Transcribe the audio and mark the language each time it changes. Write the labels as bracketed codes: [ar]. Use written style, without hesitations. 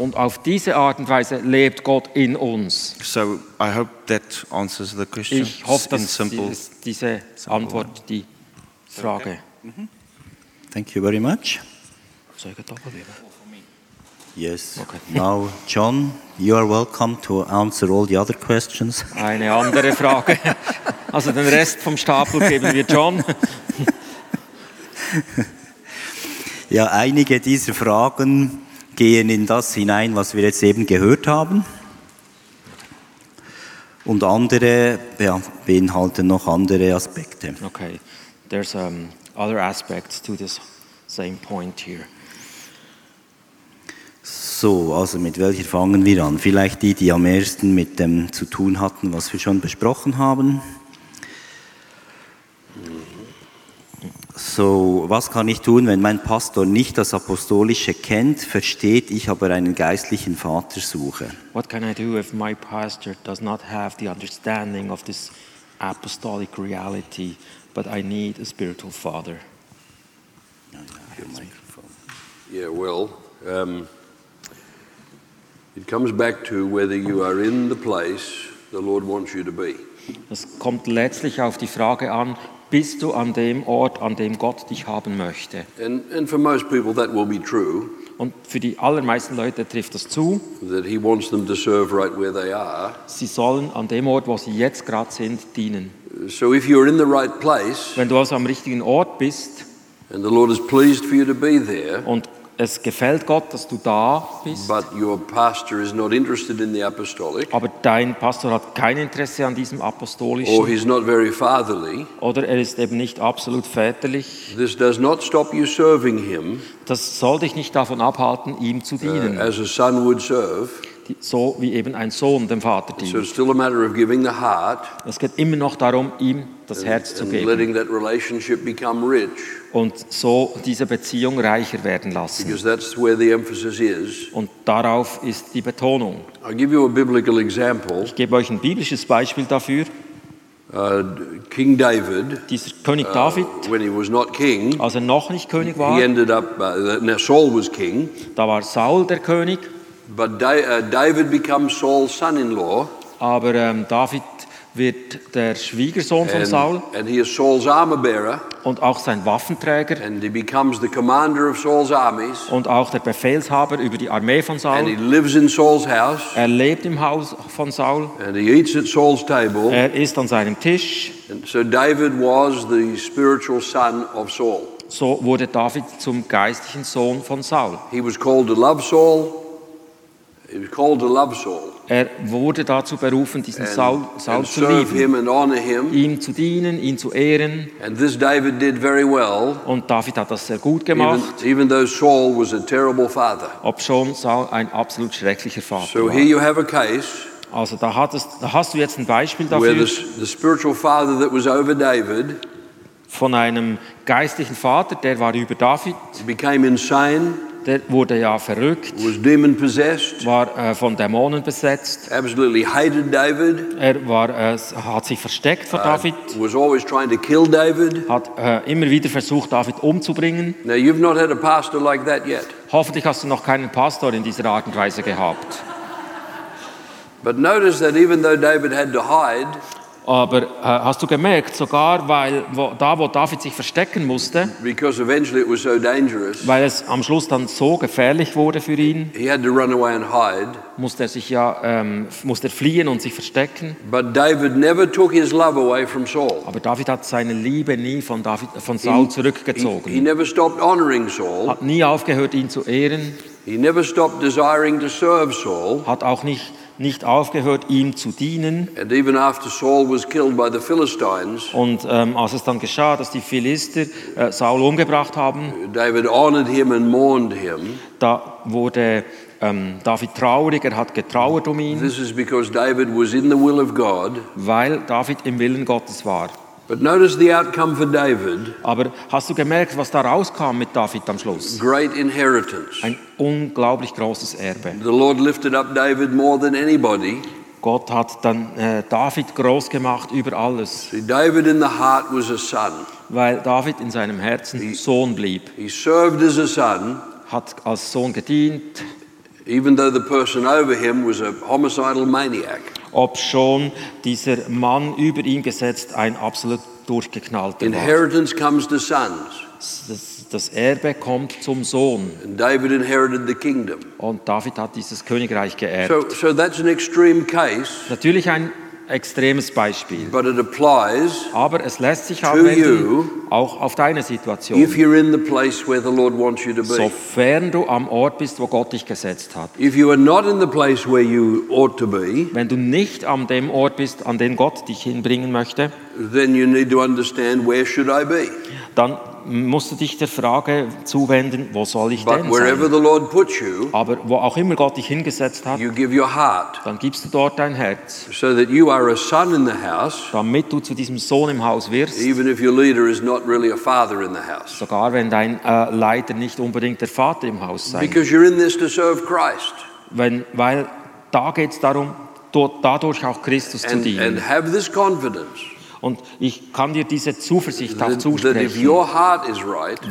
[de] Und auf diese Art und Weise lebt Gott in uns. [en] So I hope that answers the question. [de] Ich hoffe, dass diese Antwort die Frage. Okay. [en] Mm-hmm. Thank you very much. Yes. Okay. Now, John, you are welcome to answer all the other questions. [de] Eine andere Frage. Also den Rest vom Stapel geben wir John. Ja, einige dieser Fragen gehen in das hinein, was wir jetzt eben gehört haben. Und andere beinhalten noch andere Aspekte. Okay. [en] There's other aspects to this same point here. [de] So, also mit welcher fangen wir an? Vielleicht die, die am ersten mit dem zu tun hatten, was wir schon besprochen haben. So, was kann ich tun, wenn mein Pastor nicht das Apostolische kennt, versteht ich aber einen geistlichen Vater suche? [en] What can I do if my pastor does not have the understanding of this apostolic reality, but I need a spiritual father? Yeah, well, it comes back to whether you are in the place the Lord wants you to be. [de] Es kommt letztlich auf die Frage an, bist du an dem Ort, an dem Gott dich haben möchte? [en] And for most people that will be true. [de] Und für die allermeisten Leute trifft das zu. [en] That he wants them to serve right where they are. [de] Sie sollen an dem Ort, wo sie jetzt gerade sind, dienen. [en] So if you're in the right place. [de] Wenn du also am richtigen Ort bist. [en] And the Lord is pleased for you to be there. [de] Und es gefällt Gott, dass du da bist. [en] But your pastor is not interested in the apostolic. [de] Aber dein Pastor hat kein Interesse an diesem apostolischen. [en] Or he's not very fatherly. [de] Oder er ist eben nicht absolut väterlich. [en] This does not stop you serving him. [de] Das soll dich nicht davon abhalten, ihm zu dienen. [en] As a son would serve. [de] So wie eben ein Sohn dem Vater dient. [en] So it's still a matter of giving the heart. [de] Es geht immer noch darum, ihm das Herz zu geben. [en] Letting that relationship become rich. [de] und so diese Beziehung reicher werden lassen. [en] Because that's where the emphasis is. [de] Und darauf ist die Betonung. [en] I'll give you a biblical example. [de] Ich gebe euch ein biblisches Beispiel dafür. [en] King David, [de] dieser König David, [en] when he was not king, [de] als er noch nicht König war, [en] he ended up, now Saul was king. [de] Da war Saul der König. [en] But David becomes Saul's son-in-law. [de] Aber David wird der Schwiegersohn von Saul. [en] And he is Saul's armor bearer. [de] Und auch sein Waffenträger. [en] And he becomes the commander of Saul's armies. [de] Und auch der Befehlshaber über die Armee von Saul. [en] And he lives in Saul's house. [de] Er lebt im Haus von Saul. [en] And he eats at Saul's table. [de] Er isst an seinem Tisch. [en] And so David was the spiritual son of Saul. [de] So wurde David zum geistlichen Sohn von Saul. [en] He was called to love Saul. He was called to love Saul. [de] Er wurde dazu berufen, diesen Saul zu lieben, [en] him and honor him. [de] Ihm zu dienen, ihn zu ehren. [en] And this David did very well, [de] und David hat das sehr gut gemacht, [en] even though Saul was a terrible father. [de] Ob schon Saul ein absolut schrecklicher Vater so war. [en] Here you have a case, [de] also da hast du jetzt ein Beispiel dafür, [en] where the spiritual father that was over David, [de] von einem geistlichen Vater, der war über David, [en] became insane. [de] Der wurde ja verrückt, [en] was demon possessed, [de] war von Dämonen besetzt, [en] absolutely hated David, [de] er war, hat sich versteckt vor David, [en] was always trying to kill David, [de] hat immer wieder versucht, David umzubringen. [en] Now you've not had a pastor like that yet. [de] Hoffentlich hast du noch keinen Pastor in dieser Art und Weise gehabt. [en] But notice that even though David had to hide, [de] aber hast du gemerkt, sogar weil wo David sich verstecken musste, [en] because eventually it was so dangerous, [de] weil es am Schluss dann so gefährlich wurde für ihn, [en] he had to run away and hide, [de] musste er fliehen und sich verstecken. [en] But David never took his love away from Saul. [de] Aber David hat seine Liebe nie von Saul zurückgezogen. [en] He never stopped honoring Saul. [de] Hat nie aufgehört, ihn zu ehren. [en] He never stopped desiring to serve Saul. [de] Hat auch nicht aufgehört, ihm zu dienen. [en] And even after Saul was killed by the Philistines, [de] und als es dann geschah, dass die Philister Saul umgebracht haben, [en] David honored him and mourned him. [de] Da wurde David traurig, er hat getrauert um ihn. [en] This is because David was in the will of God. [de] Weil David im Willen Gottes war. [en] But notice the outcome for David. [de] Aber hast du gemerkt, was da rauskam mit David am Schluss? [en] Great inheritance. [de] Ein unglaublich großes Erbe. [en] The Lord lifted up David more than anybody. [de] Gott hat dann David groß gemacht über alles. [en] See, David in the heart was a son. [de] Weil David in seinem Herzen Sohn blieb. [en] He served as a son. [de] Hat als Sohn gedient. [en] Even though the person over him was a homicidal maniac. [de] Ob schon dieser Mann über ihn gesetzt ein absolut durchgeknallter war. [en] Inheritance comes to sons. [de] Das Erbe kommt zum Sohn. [en] And David inherited the kingdom. [de] Und David hat dieses Königreich geerbt. [en] So that's an extreme case. [de] Natürlich ein extremes Beispiel. [en] But it applies, [de] aber es lässt sich anwenden, [en] you, [de] auch auf deine Situation. [en] If you're in the place where the Lord wants you to be. [de] Sofern du am Ort bist, wo Gott dich gesetzt hat. [en] If you are not in the place where you ought to be. [de] Wenn du nicht an dem Ort bist, an den Gott dich hinbringen möchte. [en] Then you need to understand where should I be. [de] Dann musst du dich der Frage zuwenden, wo soll ich [en] but [de] denn [en] wherever [de] sein? [en] The Lord puts you, [de] aber wo auch immer Gott dich hingesetzt hat, [en] you give your heart, [de] dann gibst du dort dein Herz, [en] so that you are a son in the house, [de] damit du zu diesem Sohn im Haus wirst, [en] even if your leader is not really a father in the house. [de] Sogar wenn dein Leiter nicht unbedingt der Vater im Haus sein. [en] Because you're in this to serve Christ. [de] Weil da geht es darum, dadurch auch Christus zu dienen. [en] And have this confidence. [de] Und ich kann dir diese Zuversicht auch zusprechen. [en] Right,